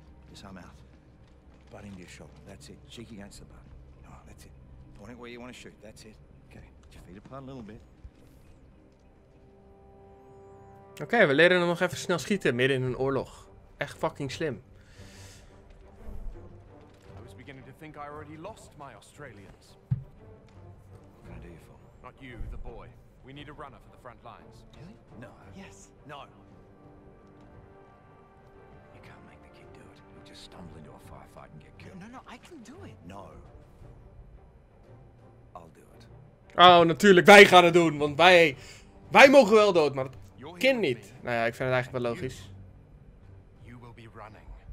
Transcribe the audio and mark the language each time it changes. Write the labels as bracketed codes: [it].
[en] Just arm out. Butt into your shoulder. That's it. Cheek against the butt. No, that's it. Point it where you want to shoot. That's it. Okay. Put your feet apart a little bit. [nl] Oké, we leren nog even snel schieten midden in een oorlog. Echt fucking slim. [en] I was beginning to think I already lost my Australians. What can I do you for? Not you, the boy. We need a runner for the front lines. Really? No. Yes. No. You can't make the kid do it. He'll just stumble into a firefight and get killed. No, I can do it. No. I'll do it. [nl] Oh, natuurlijk, wij gaan het doen, want wij mogen wel dood, maar kind niet. Nou ja, ik vind het eigenlijk wel logisch. [en] You will be running.